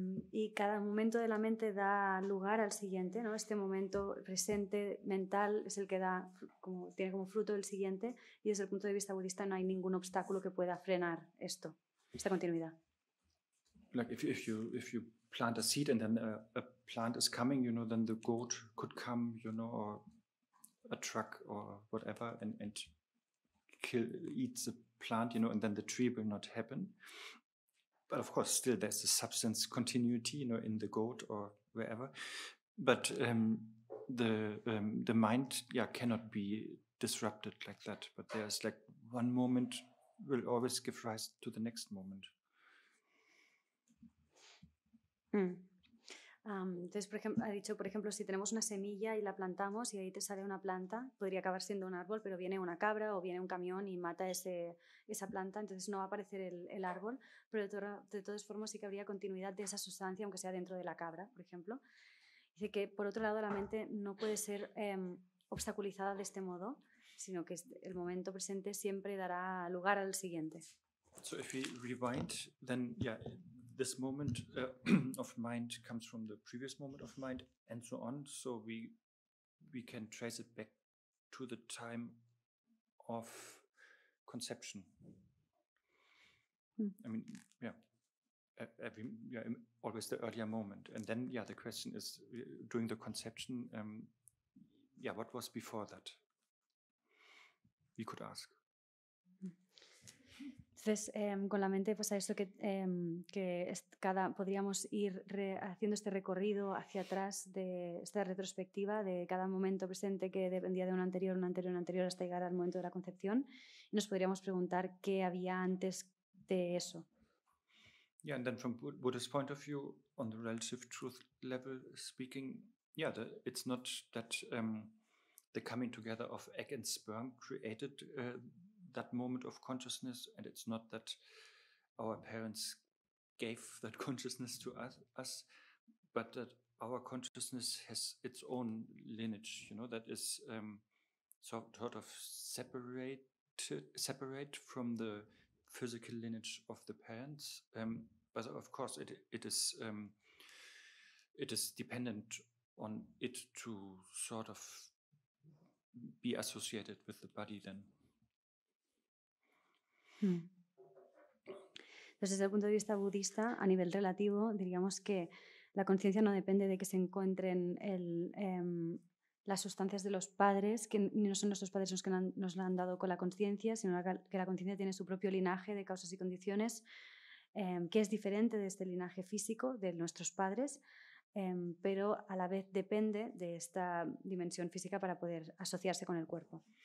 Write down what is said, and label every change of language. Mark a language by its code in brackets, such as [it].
[es] Y cada momento de la mente da lugar al siguiente, ¿no? Este momento presente mental es el que da, como, tiene como fruto el siguiente, y desde el punto de vista budista no hay ningún obstáculo que pueda frenar esto, esta continuidad. [en] Like if you plant a seed and then a plant is coming, you know, then the goat could come, you know, or a truck or whatever, and kill, eat the plant, you know, and then the tree will not happen. But of course, still there's the substance continuity, you know, in the goat or wherever. But the mind, yeah, cannot be disrupted like that. But there's like one moment will always give rise to the next moment. [es] Entonces, por ejemplo, ha dicho, por ejemplo, si tenemos una semilla y la plantamos y ahí te sale una planta, podría acabar siendo un árbol, pero viene una cabra o viene un camión y mata esa planta, entonces no va a aparecer el árbol, pero de todas formas sí que habría continuidad de esa sustancia, aunque sea dentro de la cabra, por ejemplo. Dice que, por otro lado, la mente no puede ser obstaculizada de este modo, sino que el momento presente siempre dará lugar al siguiente. [en] So if we rewind, then yeah. This moment of mind comes from the previous moment of mind, and so on. So we can trace it back to the time of conception. I mean, yeah, always the earlier moment, and then yeah, the question is, during the conception, yeah, what was before that? We could ask. [es] Entonces, con la mente pasa esto que cada podríamos ir haciendo este recorrido hacia atrás de esta retrospectiva de cada momento presente que dependía de un anterior hasta llegar al momento de la concepción, y nos podríamos preguntar qué había antes de eso. [en] Yeah, and then from Buddhist point of view, on the relative truth level speaking, yeah, it's not that the coming together of egg and sperm created that moment of consciousness, and it's not that our parents gave that consciousness to us, but that our consciousness has its own lineage, you know, that is sort of separate from the physical lineage of the parents. But of course, it is dependent on it to sort of be associated with the body then. [es] Entonces, desde el punto de vista budista, a nivel relativo, diríamos que la conciencia no depende de que se encuentren las sustancias de los padres, que no son nuestros padres los que nos la han dado con la conciencia, sino que la conciencia tiene su propio linaje de causas y condiciones, que es diferente de este linaje físico de nuestros padres, pero a la vez depende de esta dimensión física para poder asociarse con el cuerpo.